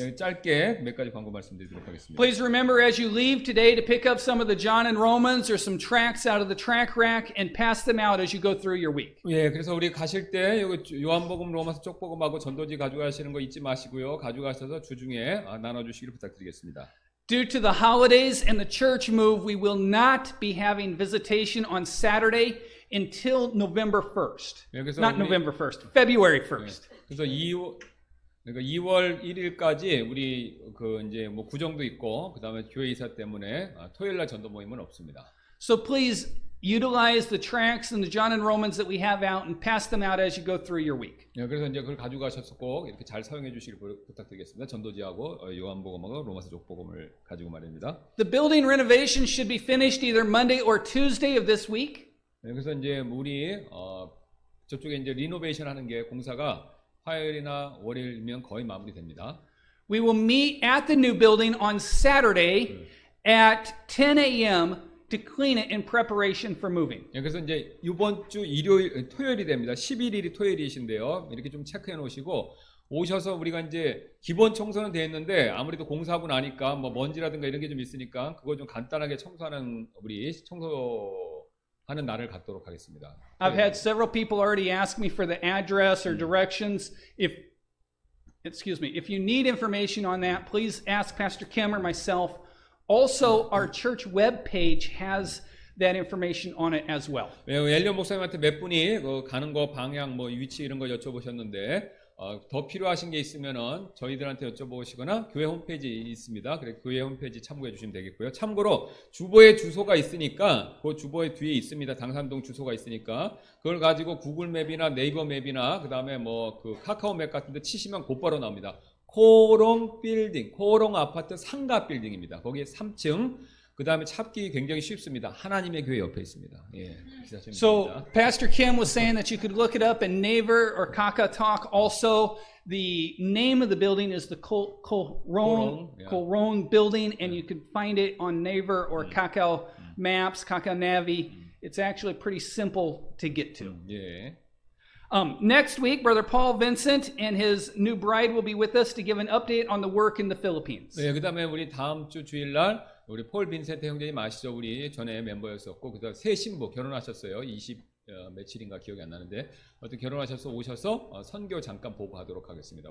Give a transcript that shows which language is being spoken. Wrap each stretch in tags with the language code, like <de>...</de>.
<ko>네, 짧게 몇 가지 광고 말씀드리도록 하겠습니다.</ko> <en>Please remember as you leave today to pick up some of the John and Romans or some tracts out of the track rack and pass them out as you go through your week.</en> <ko>예, 그래서 우리 가실 때 요한복음, 로마서 쪽복음하고 전도지 가져가시는 거 잊지 마시고요. 가져가셔서 주중에 나눠주시기를 부탁드리겠습니다.</ko> <en>Due to the holidays and the church move, we will not be having visitation on Saturday until November 1st. Not November 1st, February 1st.</en> <ko>네. 그래서 2월 1일까지 우리 그 이제 뭐 구정도 있고 그다음에 교회 이사 때문에 토요일 날 전도 모임은 없습니다.</ko> <en>So please utilize the tracts and the John and Romans that we have out and pass them out as you go through your week.</en> <ko>네, 그래서 이제 그걸 가져가셔서 꼭 이렇게 잘 사용해 주시길 부탁드리겠습니다. 전도지하고 요한복음하고 로마서 족복음을 가지고 말입니다.</ko> <en>The building renovation should be finished either Monday or Tuesday of this week.</en> <ko>네, 그래서 이제 우리 저쪽에 이제 리노베이션 하는 게 공사가 화요일이나 월요일이면 거의 마무리됩니다.</ko> <en>We will meet at the new building on Saturday at 10 a.m. to clean it in preparation for moving.</en> <ko>네, 그래서 이제 이번 주 일요일 토요일이 됩니다. 11일이 토요일이신데요. 이렇게 좀 체크해 놓으시고 오셔서 우리가 이제 기본 청소는 돼 있는데 아무래도 공사하고 나니까 뭐 먼지라든가 이런 게 좀 있으니까 그거 좀 간단하게 청소하는 우리 청소 하는 날을 갖도록 하겠습니다.</ko> <en>I've had several people already ask me for the address or directions. If you need information on that, please ask Pastor Kim or myself. Also, our church webpage has that information on it as well.</en> <ko>엘리언 목사님한테 몇 분이 가는 거 방향 뭐 위치 이런 거 여쭤보셨는데 더 필요하신 게 있으면은 저희들한테 여쭤보시거나 교회 홈페이지 있습니다. 그래 교회 홈페이지 참고해 주시면 되겠고요. 참고로 주보에 주소가 있으니까 그 주보에 뒤에 있습니다. 당산동 주소가 있으니까 그걸 가지고 구글 맵이나 네이버 맵이나 그다음에 뭐 그 카카오 맵 같은 데 치시면 곧바로 나옵니다. 코롱 빌딩, 코롱 아파트 상가 빌딩입니다. 거기 3층. 그다음에 찾기 굉장히 쉽습니다. 하나님의 교회 옆에 있습니다. 예.</ko> <en>So Pastor Kim was saying that you could look it up in Naver or KakaTalk. Also, the name of the building is the Corone Building, and you can find it on Naver or Kakao Maps, Kakao Navi. It's actually pretty simple to get to. Yeah. Next week, Brother Paul Vincent and his new bride will be with us to give an update on the work in the Philippines.</en> <ko>예, 그다음에 우리 다음 주 주일날 우리 폴 빈센트 형제님 아시죠? 우리 전에 멤버였었고 그다 새 신부 결혼하셨어요. 20 며칠인가 기억이 안 나는데 어떤 결혼하셔서 오셔서 선교 잠깐 보고 하도록 하겠습니다.</ko>